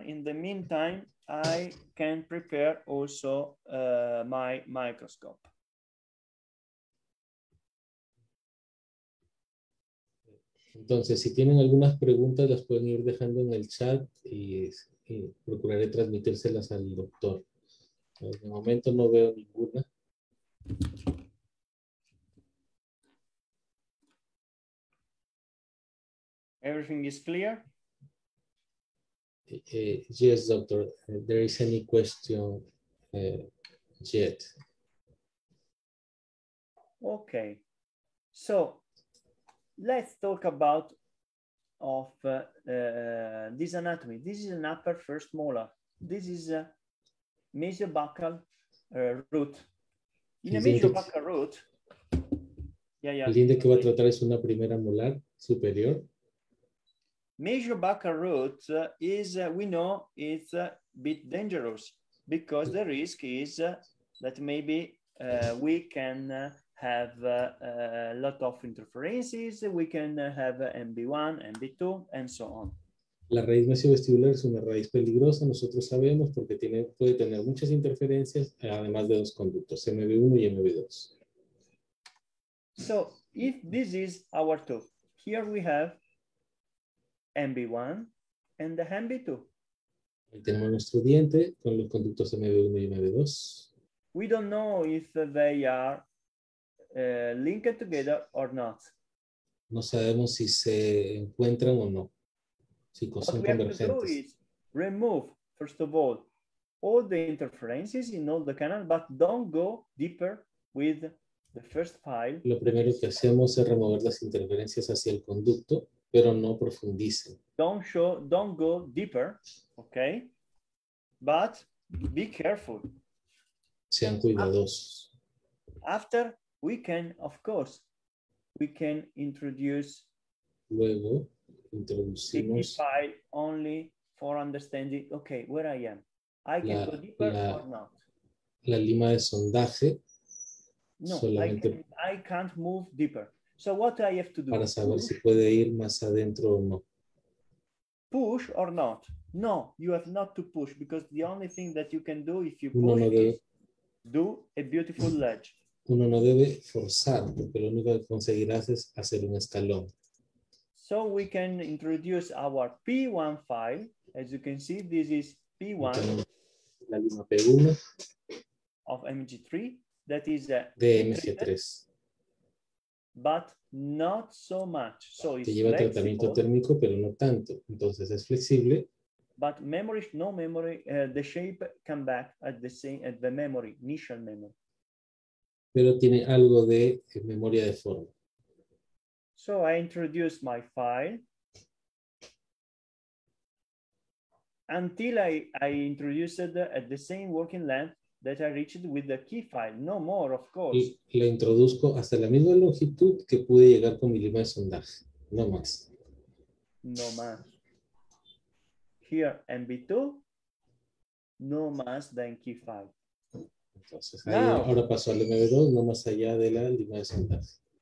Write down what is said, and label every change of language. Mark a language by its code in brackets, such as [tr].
[en] In the meantime, I can prepare also my microscope. [es] Entonces, si tienen algunas preguntas, las pueden ir dejando en el chat y procuraré transmitírselas al doctor. De momento no veo ninguna. [en] Everything is clear? Yes, doctor. There is any question yet. Okay. So let's talk about of this anatomy. This is an upper first molar. This is a mesiobuccal root. In a mesiobuccal root. Yeah. [es] El diente que va a tratar es una primera molar superior. [en] Mesiobuccal root is, we know, it's a bit dangerous because the risk is that maybe we can have a lot of interferences, we can have MB1, MB2, and so on. [es] La raíz mesiovestibular es una raíz peligrosa, nosotros sabemos, porque tiene, puede tener muchas interferencias, además de dos conductos, MB1 y MB2. [en] So, if this is our tooth, here we have MB1 and the MB2. [es] Ahí tenemos nuestro diente con los conductos MB1 y MB2. [en] We don't know if they are linked together or not. [es] No sabemos si se encuentran o no. Si son [en] what [es] convergentes. [en] We have to do is remove, first of all the interferences in all the canals, but don't go deeper with the first file. [es] Lo primero que hacemos es remover las interferencias hacia el conducto, pero no profundice. [en] Don't go deeper, okay? But be careful. [es] Sean cuidadosos. [en] After we can, of course, we can introduce. [es] Luego introducimos. [en] The file only for understanding. Okay, where I am. I can go deeper or not. [es] La lima de sondaje. [en] No, I can't move deeper. So what I have to do? [es] Para saber si puede ir más adentro o no. [en] Push or not? No, you have not to push because the only thing that you can do if you [es] uno [en] push [es] no debe, [en] is do a beautiful ledge. [es] Uno no debe forzar, porque lo único que conseguirás es hacer un escalón. [en] So we can introduce our P1 file. As you can see, this is P1. [es] La lima P1. [en] Of MG3. That is a [es] de MG3. [en] But not so much. So it's [es] te lleva flexible, tratamiento térmico, pero no tanto. Entonces es flexible. [en] But memory, no memory, the shape come back at the same, at the memory, initial memory. [es] Pero tiene algo de memoria de forma. [en] So I introduce my file. Until I introduced at the same working length that I reached with the key file, no more, of course. [es] La introduzco hasta la misma longitud que pude llegar con mi lima de sondaje, no más. No más. [en] Here, MB2, [es] no más [en] than key 5. [es] Entonces, [en] now, [es] ahí, ahora paso al MB2, no más allá de la lima de sondas.